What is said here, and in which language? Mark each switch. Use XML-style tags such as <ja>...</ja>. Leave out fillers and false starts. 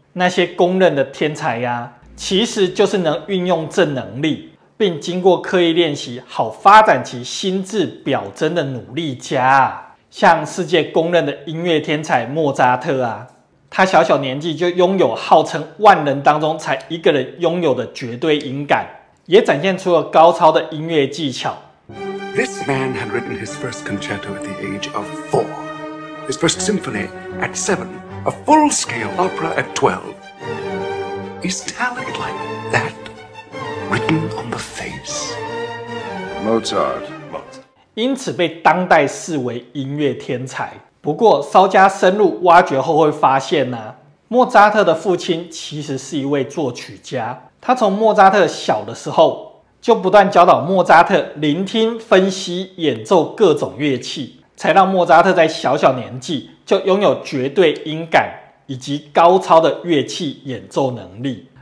<zh>那些公认的天才啊，其实就是能运用正能力，并经过刻意练习好发展其心智表征的努力家啊。像世界公认的音乐天才莫扎特啊，他小小年纪就拥有号称万人当中才一个人拥有的绝对音感，也展现出了高超的音乐技巧。</zh> <en>This man had written his first concerto at the age of 4, his first symphony at 7, a full-scale opera at 12. Is talent like that written on the face? Mozart.</en> <zh>因此被当代视为音乐天才。不过稍加深入挖掘后会发现啊，莫扎特的父亲其实是一位作曲家，他从莫扎特小的时候就不断教导莫扎特聆听、分析、演奏各种乐器，才让莫扎特在小小年纪就拥有绝对音感以及高超的乐器演奏能力。</zh>